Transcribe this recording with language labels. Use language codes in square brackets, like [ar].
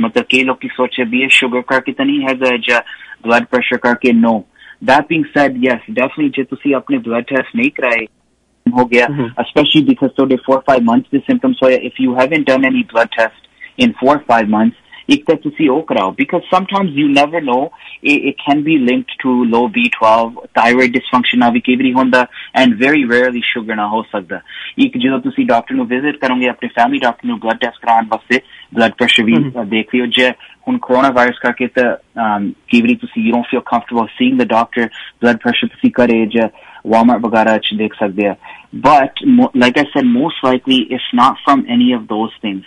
[en] I mean, some people think that it's sugar or blood pressure. No. That being said, yes, definitely, if you don't have blood tests, especially because you have 4 or 5 months of symptoms, if you haven't done any blood test in 4 or 5 months, [pa] ਇੱਕ ਤਾਂ ਤੁਸੀਂ ਉਹ ਕਰਾਓ, [en] because sometimes you never know, it can be linked to low B12, thyroid dysfunction [pa] ਆ ਵੀ ਕਈ ਵਾਰੀ ਹੁੰਦਾ, [en] and very rarely sugar [pa] ਨਾ ਹੋ ਸਕਦਾ। ਇੱਕ ਜਦੋਂ ਤੁਸੀਂ ਡਾਕਟਰ ਨੂੰ ਵਿਜ਼ਿਟ ਕਰੋਗੇ, ਆਪਣੇ ਫੈਮਿਲੀ ਡਾਕਟਰ ਨੂੰ ਬਲੱਡ ਟੈਸਟ ਕਰਾਉਣ ਵਾਸਤੇ, ਬਲੱਡ ਪ੍ਰੈਸ਼ਰ ਵੀ ਦੇਖ ਲਿਓ, ਜੇ ਹੁਣ ਕੋਰੋਨਾ ਵਾਇਰਸ ਕਰਕੇ ਤਾਂ ਕਈ ਵਾਰੀ ਤੁਸੀਂ [en] you don't feel comfortable seeing the doctor, [pa] blood pressure ਤੁਸੀਂ ਕਰੇ ਜਾਂ Walmart Bagara ch dekh sakde ha. [en] But like I said, most likely it's not from any of those things.